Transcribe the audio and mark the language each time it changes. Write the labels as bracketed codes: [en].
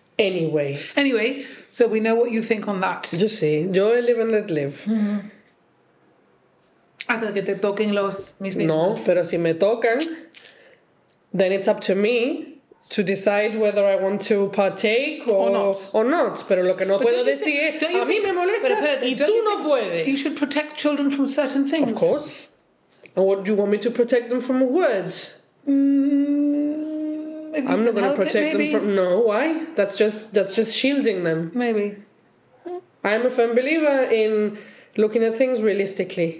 [en] Anyway, so we know what you think on that. Just see. Yo live and let live. [es] Mm-hmm. Hasta que te toquen los mismos. No, pero si me tocan, [en] then it's up to me to decide whether I want to partake or not. [es] Pero lo que no puedo decir es, a mí me molesta, y tú no puedes. [en] You should protect children from certain things. Of course. And what do you want me to protect them from? Words? I'm not going to protect them from... No, why? That's just shielding them. Maybe. I'm a firm believer in looking at things realistically.